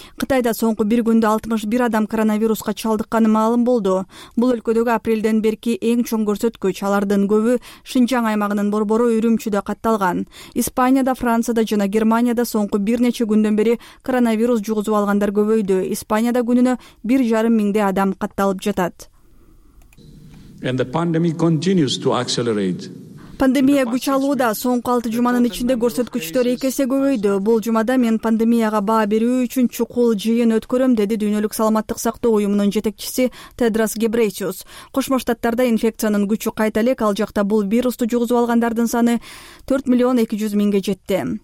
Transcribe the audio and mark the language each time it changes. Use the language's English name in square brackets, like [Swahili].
[Kyrgyz] Кытайда соңку бир күндө 61 адам коронавируска чалдыкканы маалым болду. Бул өлкөдөгү апрелден берки эң чоң көрсөткүч. Алардын көбү Шинжаң аймагынын борбору Үрүмчүдө катталган. Испанияда, Францияда жана Германияда соңку бир нече күндөн бери коронавирус жугузуп алгандар көбөйдү. Испанияда күнүнө 1,5 миңдей адам катталып жатат. [English] And the pandemic continues to accelerate. [Kyrgyz] Пандемия күч алууда. Соңку 6 жуманын ичинде көрсөткүчтөр 2 эсе көбөйдү. Бул жумада мен пандемияга баа берүү үчүн чукул жыйын өткөрөм, деди дүйнөлүк саламаттык сактоо уюмунун жетекчиси Тедрос Гебрейсиус. Кошмо Штаттарда инфекциянын күчү кайта элек, ал жакта бул вирусту жугузуп алгандардын саны 4,200,000 жетти.